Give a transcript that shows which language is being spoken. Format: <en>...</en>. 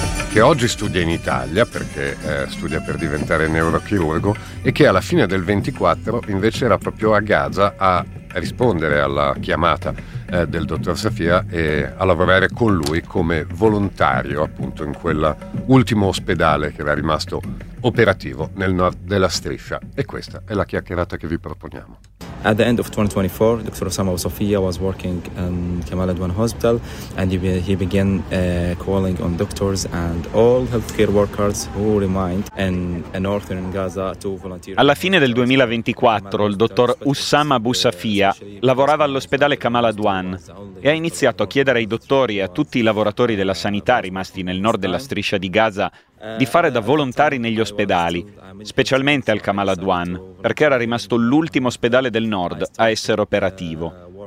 <it>che oggi studia in Italia perché studia per diventare neurochirurgo, e che alla fine del 24 invece era proprio a Gaza a rispondere alla chiamata del dottor Safia e a lavorare con lui come volontario appunto in quell'ultimo ospedale che era rimasto operativo nel nord della striscia. E questa è la chiacchierata che vi proponiamo.</it> <en>At the end of 2024, Dr. Osama Sofia was working in Kamal Adwan Hospital, and he began calling on doctors and all healthcare workers who remained in northern Gaza to volunteer.</en> <it>Alla fine del 2024, il dottor Osama Abu Safia lavorava all'ospedale Kamal Adwan e ha iniziato a chiedere ai dottori e a tutti i lavoratori della sanità rimasti nel nord della striscia di Gaza di fare da volontari negli ospedali, specialmente al Kamal Adwan, perché era rimasto l'ultimo ospedale del nord a essere operativo.</it>